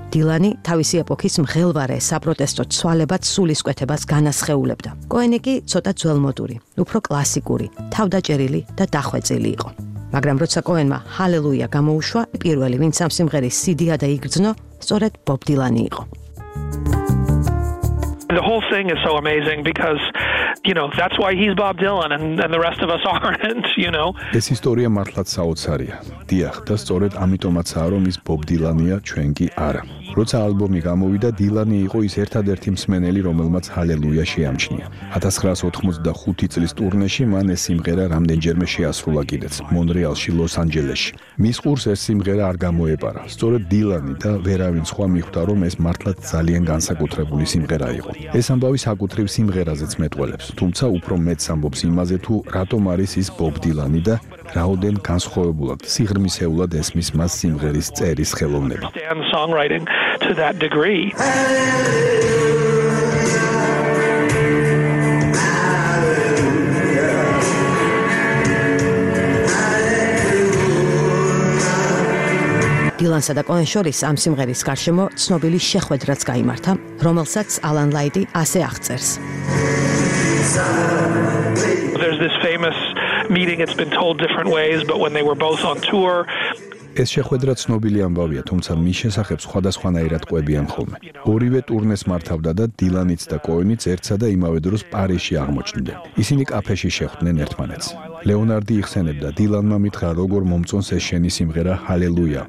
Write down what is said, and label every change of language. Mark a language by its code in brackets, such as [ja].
[ka] დილანი თავისი ეპოქის მღელვარე საპროტესტო ცვალებად სულისკვეთებას განასხეულებდა. კოენი კი ცოტა ძველმოდური, უფრო კლასიკური, თავდაჭერილი და დახვეწილი იყო. მაგრამ როცა კოენმა ჰალელუია გამოუშვა, პირველი ვინც ამ სიმღერის სიდია და იგრძნო, სწორედ ბობ დილანი იყო. [en] The whole thing is so amazing because, you know, that's why he's Bob Dylan and the rest of us aren't, you know. [ka] ეს ისტორია მართლაც საოცარია. დიახ, და სწორედ ამიტომაცაა, რომ ის ბობ დილანია, ჩვენ კი არა. როცა ალბომი გამოვიდა, დილანი იყო ის ერთადერთი მსმენელი, რომელმაც ჰალელუია შეამჩნია. 1985 წლის ტურნეში მან ეს სიმღერა რამდენჯერმე შეასრულა კიდეც, მონრეალში, ლოს-ანჯელესში. მის ყურს ეს სიმღერა არ გამოეპარა. სწორედ დილანი და ვერავინ სხვა მიხვდა, რომ ეს მართლაც ძალიან განსაკუთრებული სიმღერა იყო. ეს ამბავი საკუთრივ სიმღერაზეც მეტყველებს, თუმცა უფრო მეტს ამბობს იმაზე, თუ რატომ არის ის ბობ დილანი და რაოდენ განსხვავებულად, სიღრმისეულად ესმის მას სიმღერის წერის ხელოვნება. [en] To that degree. [ka] დილანსა და კოენს შორის ამ სიმღერის გარშემო ცნობილი შეხვედრაც გამართა, რომელსაც ალან ლაიტი ასე აღწერს. [en] There's this famous meeting, it's been told different ways, but when they were both on tour, [ka] ეს შეხვედრა ცნობილი ამბავია, თუმცა მის შესახებ სხვადასხვანაირად ყვებიან ხოლმე. ორივე ტურნეს მართავდა და დილანიც და კოენიც ერთსა და იმავე დროს პარიზში აღმოჩნდნენ. ისინი კაფეში შეხვდნენ ერთმანეთს. ლეონარდი იხსენებდა, დილანმა მითხრა, როგორ მომწონს ეს შენი სიმღერა ჰალელუია.